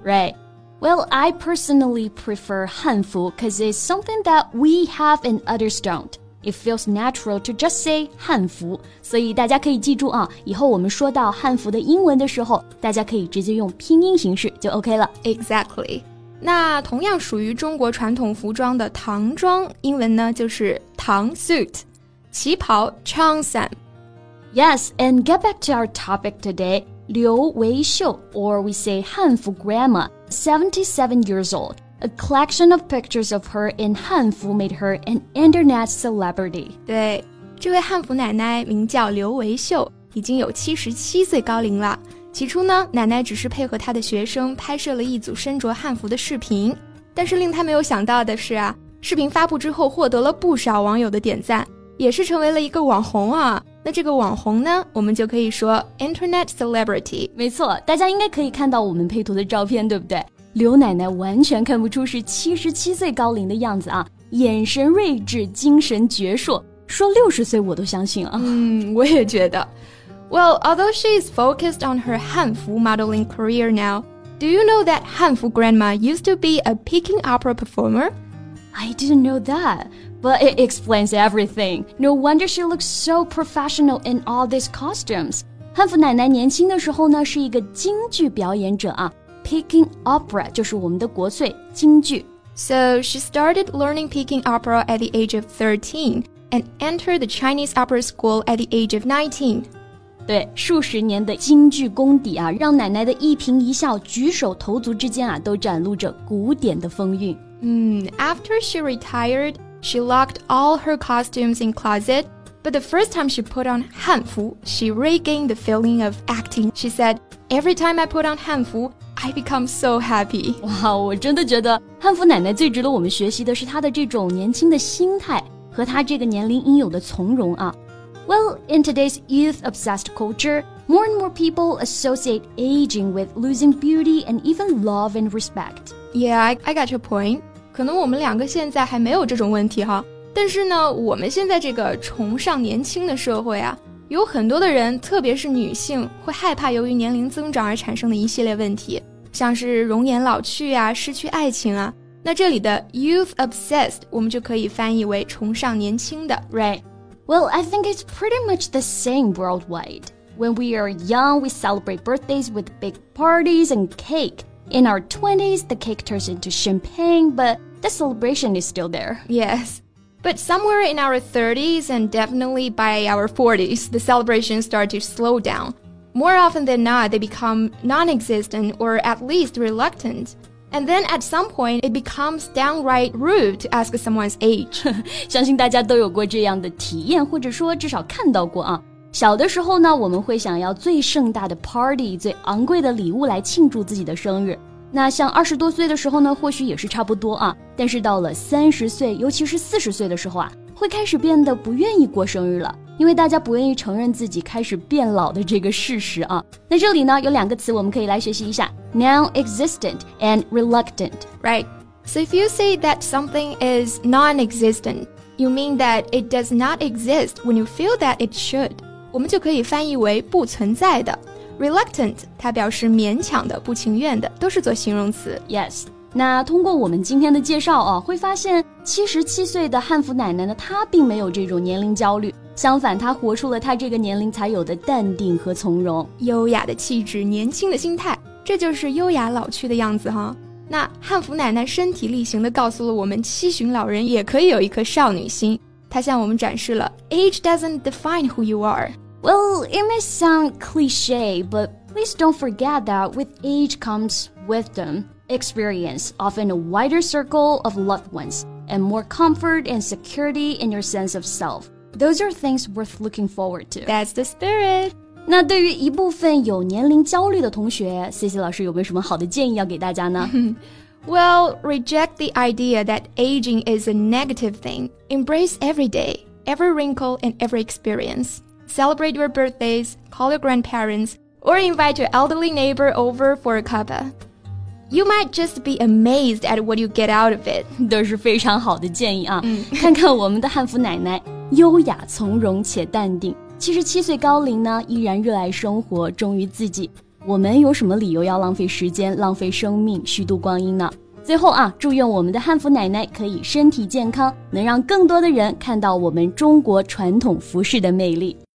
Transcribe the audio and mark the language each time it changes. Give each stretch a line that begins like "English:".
English: Right. Well, I personally prefer 汉服 because it's something that we have and others don't. It feels natural to just say
Chinese: 汉服，所以大家可以记住啊，以后我们说到汉服的英文的时候，大家可以直接用拼音形式就 OK 了。
English: Exactly.
Chinese: 那同样属于中国传统服装的唐装，英文呢就是唐 suit， 旗袍 changsan。
English: Yes, and get back to our topic today. 刘维秀 or we say 汉服 grandma, 77 years old. A collection of pictures of her in 汉服 made her an internet celebrity.
Chinese: 对，这位汉服奶奶名叫刘维秀，已经有77岁高龄了。起初呢，奶奶只是配合她的学生拍摄了一组身着汉服的视频。但是令她没有想到的是啊，视频发布之后获得了不少网友的点赞，也是成为了一个网红啊。那这个网红呢，我们就可以说
English: internet celebrity.
Chinese: 没错，大家应该可以看到我们配图的照片，对不对？刘奶奶完全看不出是77岁高龄的样子啊，眼神睿智，精神矍铄，说60岁我都相信啊。嗯，我也觉得。
English: Well, although she is focused on her 汉服 modeling career now, do you know that 汉服 grandma used to be a Peking opera performer? I didn't know that, but it explains everything. No wonder she looks so professional in all these costumes.
Chinese: 汉服奶奶年轻的时候呢，是一个京剧表演者啊。 Peking Opera 就是我们的国粹京剧。
English: So she started learning Peking Opera at the age of 13 and entered the Chinese Opera School at the age of 19.
Chinese: 对，数十年的京剧功底啊，让奶奶的一颦一笑、举手投足之间啊，都展露着古典的风韵。
English: After she retired, she locked all her costumes in closet, but the first time she put on 汉服, she regained the feeling of acting. She said, "Every time I put on 汉服,I become so happy.
Chinese: 哇，我真的觉得汉服奶奶最值得我们学习的是她的这种年轻的心态和她这个年龄应有的从容啊。
English: Well, in today's youth-obsessed culture, more and more people associate aging with losing beauty and even love and respect. Yeah, I got your point.
Chinese: 可能我们两个现在还没有这种问题哈。但是呢，我们现在这个崇尚年轻的社会啊，有很多的人，特别是女性，会害怕由于年龄增长而产生的一系列问题，像是容颜老去啊，失去爱情啊。那这里的
English: youth obsessed
Chinese: 我们就可以翻译为崇尚年轻的
English: Right. Well, I think it's pretty much the same worldwide. When we are young, we celebrate birthdays with big parties and cake. In our 20s, the cake turns into champagne, but the celebration is still there. Yes. But somewhere in our 30s and definitely by our 40s, the celebrations start to slow down. More often than not, they become non-existent or at least reluctant. And then at some point, it becomes downright rude to ask someone's age.
Chinese: 相信大家都有过这样的体验或者说至少看到过啊。小的时候呢我们会想要最盛大的 party, 最昂贵的礼物来庆祝自己的生日。那像二十多岁的时候呢或许也是差不多啊。但是到了三十岁尤其是四十岁的时候啊会开始变得不愿意过生日了。因为大家不愿意承认自己开始变老的这个事实啊。那这里呢有两个词我们可以来学习一下。
English: Non-existent and reluctant. Right. So if you say that something is non-existent, you mean that it does not exist when you feel that it should.
Chinese: 我们就可以翻译为不存在的。Reluctant, 它表示勉强的、不情愿的，都是做形容词。
English: Yes.
Chinese: 那通过我们今天的介绍啊，会发现77岁的汉服奶奶呢，她并没有这种年龄焦虑，相反她活出了她这个年龄才有的淡定和从容，优雅的气质，年轻的心态，这就是优雅老去的样子哈。那汉服奶奶身体力行地告诉了我们，七旬老人也可以有一颗少女心，她向我们展示了
English: Age doesn't define who you are. Well, it may sound cliche, but please don't forget that with age comes wisdom. Experience, often a wider circle of loved ones, and more comfort and security in your sense of self. Those are things worth looking forward to. That's the spirit.
Chinese: 那对于一部分有年龄焦虑的同学 ,CC 老师有没有什么好的建议要给大家呢?
English: Well, reject the idea that aging is a negative thing. Embrace every day, every wrinkle and every experience. Celebrate your birthdays, call your grandparents, or invite your elderly neighbor over for a cuppa. You might just be amazed at what you get out of it.
Chinese: 都是非常好的建议啊。看看我们的汉服奶奶，优雅从容且淡定。 77岁高龄呢，依然热爱生活，忠于自己。我们有什么理由要浪费时间，浪费生命，虚度光阴呢？最后啊，祝愿我们的汉服奶奶可以身体健康，能让更多的人看到我们中国传统服饰的魅力。